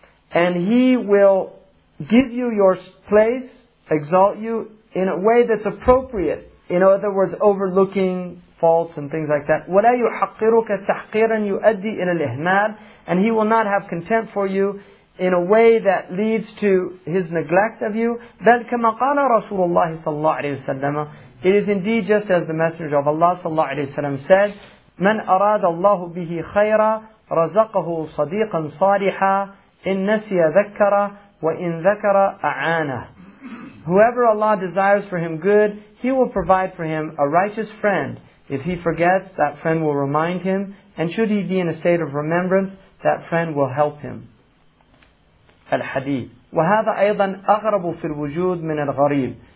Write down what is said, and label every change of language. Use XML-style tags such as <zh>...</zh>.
<en>And he will give you your place, exalt you in a way that's appropriate. In other words, overlooking faults and things like that.</en> <ar>وَلَا يُحَقِّرُكَ تَحْقِيرًا يُؤَدِّي إِلَى الْإِهْمَالِ.</ar> <en>And he will not have contempt for you in a way that leads to his neglect of you.</en> <ar>بَلْ كَمَا قَالَ رَسُولُ اللَّهِ صَلَّى اللَّهُ عَلَيْهِ وَسَلَّمَ.</ar> <en>It is indeed just as the Messenger of Allah</en> <ar>صلى الله عليه وسلم</ar> <en>said,</en> <ar>مَنْ أَرَادَ اللَّهُ بِهِ خَيْرًا رَزَقَهُ صَدِيقًا صَالِحًا. إِن نَسِيَ ذَكَّرَ وَإِن ذَكَرَ أَعَانَهُ.</ar> <en>Whoever Allah desires for him good, he will provide for him a righteous friend. If he forgets, that friend will remind him. And should he be in a state of remembrance, that friend will help him.</en> <ar>الحديث. وَهَذَا أَيْضًا أَغْرَبُ فِي الْوُجُودِ مِنَ الْغَرِيبِ.</ar>